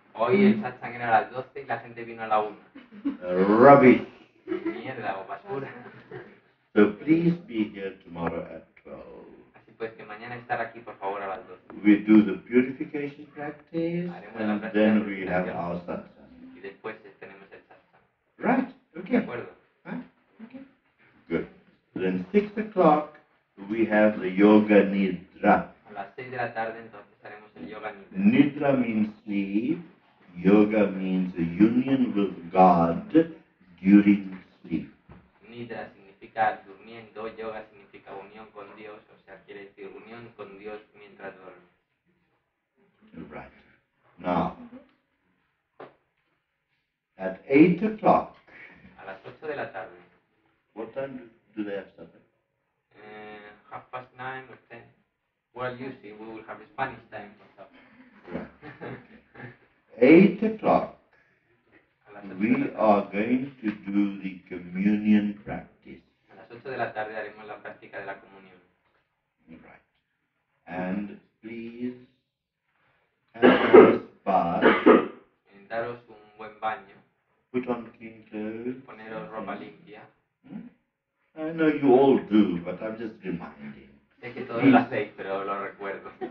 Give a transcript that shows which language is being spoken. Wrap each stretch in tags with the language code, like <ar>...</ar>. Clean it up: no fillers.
<es>Hoy el satsang era a las 12 y la gente vino a la 1.</es> <en>Rubbish.</en> <es>Mierda o basura.</es> <en>So please be here tomorrow at 12.</en> <es>Así pues, que mañana estar aquí, por favor, a las 12.</es> <en>We do the purification practice and then we have our satsang.</en> <es>Y después tenemos el satsang.</es> <en>Right. Okay.</en> <es>De acuerdo.</es> <en>Good. Then 6 o'clock we have the yoga nidra.</en> <es>A las 6 de la tarde entonces haremos el yoga nidra.</es> <en>Nidra means sleep. Yoga means a union with God during sleep.</en> <es>Nidra significa durmiendo, yoga significa unión con Dios, o sea, quiere decir unión con Dios mientras duerme.</es> <en>Right. Now, at 8 o'clock.</en> <es>A las 8 de la tarde.</es> <en>What time do they have supper? 9:30 or 10. Well, you see, we will have Spanish time for supper. Right. 8 o'clock, we are going to do the communion practice.</en> <es>A las 8 de la tarde haremos la práctica de la comunión.</es> <en>Right. And please have a nice bath.</en> <es>Y daros un buen baño.</es> <en>Put on clean clothes.</en> <es>Poneros ropa limpia.</es> <en>I know you all do, but I'm just reminding.</en> <es>Sé que todos lo hacéis, pero lo recuerdo.</es>